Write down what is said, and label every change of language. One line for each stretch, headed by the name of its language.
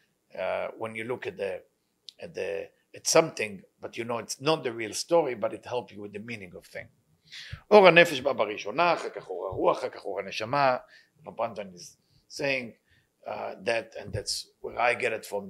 English: It's like when you look at something, but you know it's not the real story, but it helps you with the meaning of things.
Hebrew: אור הנפש בא בראשונה, אחר כך אור הרוח, אחר כך אור הנשמה.
English: Rav Brandwein is saying that, and that's where I get it from.